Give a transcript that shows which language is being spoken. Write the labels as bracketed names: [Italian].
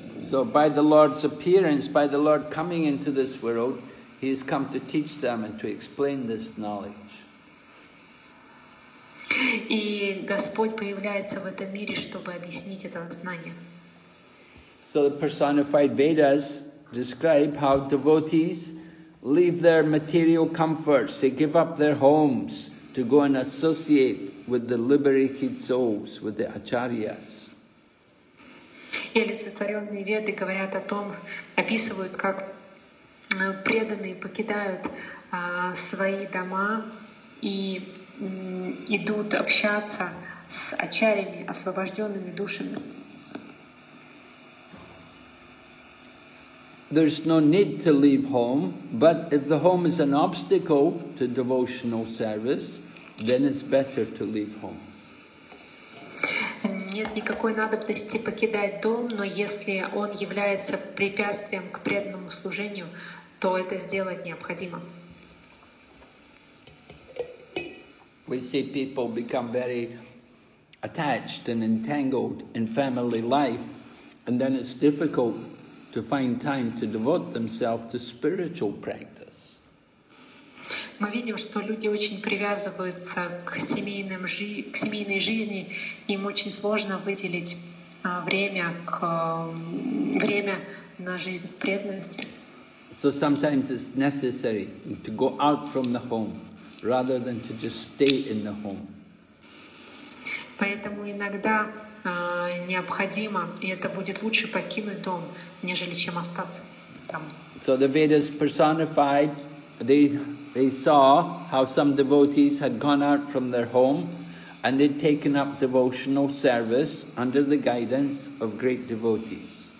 [English] So by the Lord's appearance, by the Lord coming into this world, He has come to teach them and to explain this knowledge. [Russian] И Господь появляется в этом мире, чтобы объяснить это знание. [English] So the personified Vedas describe how devotees leave their material comforts, they give up their homes to go and associate with the liberated souls, with the acharyas. [Russian] И олицетворенные веды говорят о том, описывают, как преданные покидают свои дома и идут общаться с ачарьями, освобожденными душами. [English] There's no need to leave home, but if the home is an obstacle to devotional service, then it's better to leave home. [Russian] Нет никакой надобности покидать дом, но если он является препятствием к преданному служению, то это сделать необходимо. [English] We see people become very attached and entangled in family life, and then it's difficult to find time to devote themselves to spiritual practice. [Russian] Мы видим, что люди очень привязываются к семейной жизни, им очень сложно выделить время на жизнь в преданности. [English] So sometimes it's necessary to go out from the home, rather than to just stay in the home. [Russian] Поэтому иногда необходимо, и это будет лучше, покинуть дом, нежели чем остаться там. [English] So the Vedas personified, they saw how some devotees had gone out from their home and they'd taken up devotional service under the guidance of great devotees.